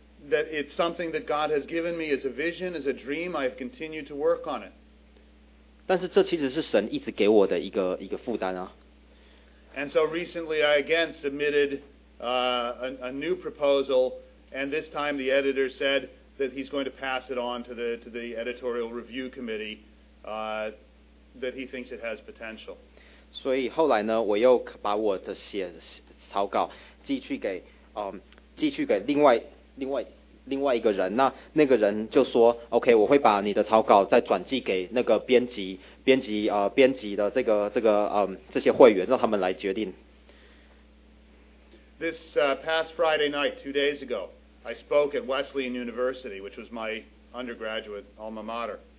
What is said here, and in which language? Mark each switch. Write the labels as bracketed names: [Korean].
[English] That it's something that God has given me as a vision, as a dream. I have continued to work on it. [Chinese] 但是这其实是神一直给我的一个负担啊。 [English] And so recently, I again submitted a new proposal And this time the editor said that he's going to pass it on to the editorial review committee, that he thinks it has potential. [Chinese] 所以后来呢，我又把我的写草稿寄去给另外一个人，那个人就说 ，OK， 我会把你的草稿再转寄给那个编辑的这些会员，让他们来决定。 [English] This past Friday night, 2 days ago, I spoke at Wesleyan University, which was my undergraduate alma mater.